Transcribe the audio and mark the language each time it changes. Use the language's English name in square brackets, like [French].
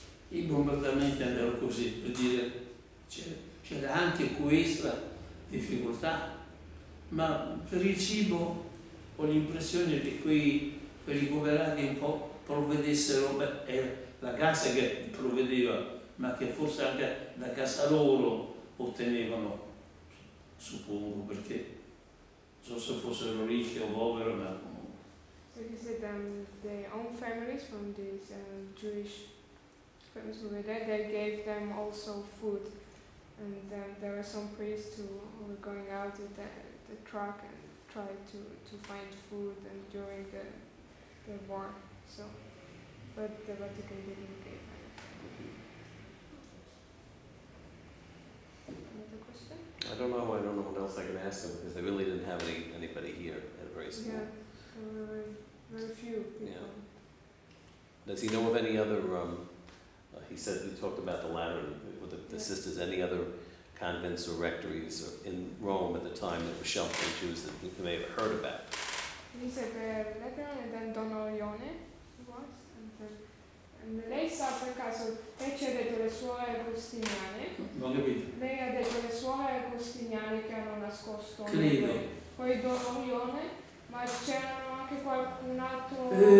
[Italian] i bombardamenti andavano così, per dire c'era anche questa difficoltà, ma per il cibo ho l'impressione che quei ricoverati un po' provvedessero, beh, era la casa che provvedeva, ma che forse anche da casa loro ottenevano, suppongo, perché non so se fossero ricchi o poveri, ma comunque. [English] So he said their own families from these Jewish families over there, they gave them also food. And there were some priests who were going out with the truck and tried to find food and during the war. So, but the Vatican didn't give them. I don't know what else I can ask them, because they really didn't have anybody here at very small. Yeah, very few people. Yeah. Does he know of any other, he talked about the Lateran, the sisters, any other convents or rectories or in Rome at the time that were sheltering Jews that you may have heard about? He said the Lateran and then Don Orione was. [Italian] Lei sa per caso, lei ci ha detto le suore agostiniane. Non capito. Lei ha detto le suore agostiniane che hanno nascosto. Credo. Poi Don Orione, ma c'erano anche qualcun altro.